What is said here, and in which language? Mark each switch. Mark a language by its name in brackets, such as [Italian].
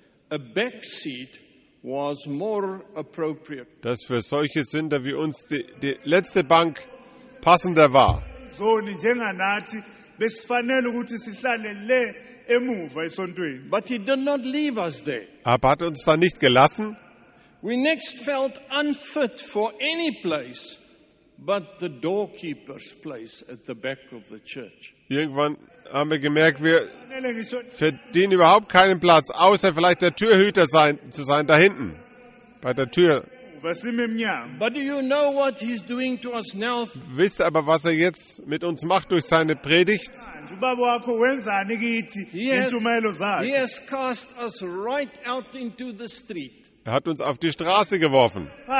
[English] a back seat was more appropriate, [German] dass für solche Sünder wie uns die letzte Bank passender war. [English] But he did not leave us there. [German] Aber hat uns da nicht gelassen. [English] We next felt unfit for any place but the doorkeeper's place at the back of the church. [German] Irgendwann haben wir gemerkt, wir verdienen überhaupt keinen Platz, außer vielleicht der Türhüter zu sein da hinten bei der Tür. [English] But do you know what he's doing to us now? [German] Wisst ihr aber, was er jetzt mit uns macht durch seine Predigt? [English] He has cast us right out into the street. [German] Er hat uns auf die Straße geworfen.